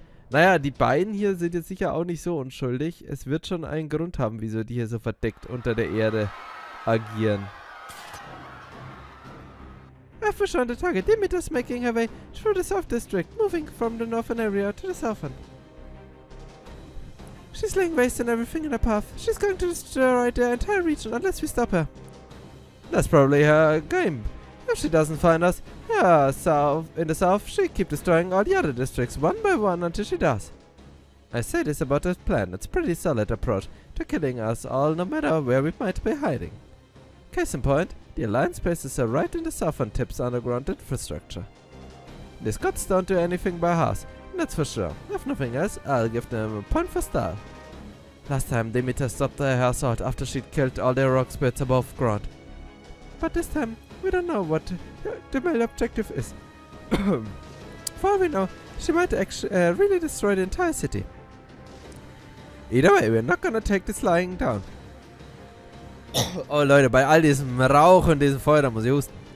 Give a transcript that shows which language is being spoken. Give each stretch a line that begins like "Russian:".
German: Naja, die beiden hier sind jetzt sicher auch nicht so unschuldig. Es wird schon einen Grund haben, wieso die hier so verdeckt unter der Erde agieren.
English: I've pushed on the target. Demeter's making her way through the South District, moving from the northern area to the southern. She's laying waste and everything in her path. She's going to destroy the entire region unless we stop her. That's probably her game. If she doesn't find us, in the south, she keep destroying all the other districts one by one until she does. I say this about this plan. It's a pretty solid approach to killing us all no matter where we might be hiding. Case in point, the Alliance bases are right in the southern tip's underground infrastructure. The Scots don't do anything by halves, that's for sure. If nothing else, I'll give them a point for style. Last time, Demeter stopped the assault after she'd killed all the rock spirits above ground. But this time, we don't know what the main objective is. For all we know, she might really destroy the entire city. Either way, we're not gonna take this lying down.
German: Oh Leute, bei all diesem Rauch und diesem Feuer, da muss ich husten.